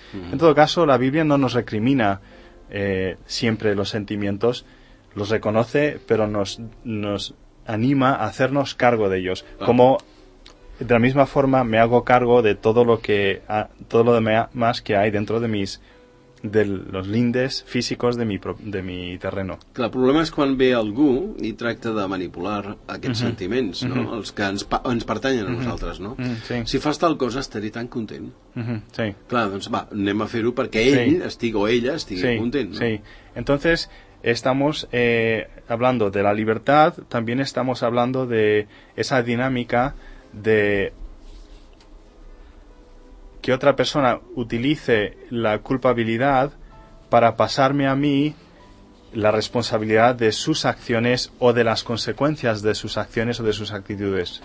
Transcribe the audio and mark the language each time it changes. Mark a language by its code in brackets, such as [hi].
[es] En todo caso, la Biblia no nos recrimina siempre los sentimientos, los reconoce, pero nos anima a hacernos cargo de ellos, como de la misma forma me hago cargo de todo lo demás que hay dentro de mis, de los lindes físicos de mi terreno. [ca] Clar, el problema és quan ve algú i tracta de manipular aquests sentiments, no? Els que ens pertanyen a nosaltres, no? Sí. Si fas tal cosa estaré tan content. Sí. Clar, doncs va, anem a fer-ho perquè ell estigui o ella estigui content, no? Sí. [es] Entonces, estamos hablando de la libertad, también estamos hablando de esa dinámica de que otra persona utilice la culpabilidad para pasarme a mí la responsabilidad de sus acciones o de las consecuencias de sus acciones o de sus actitudes.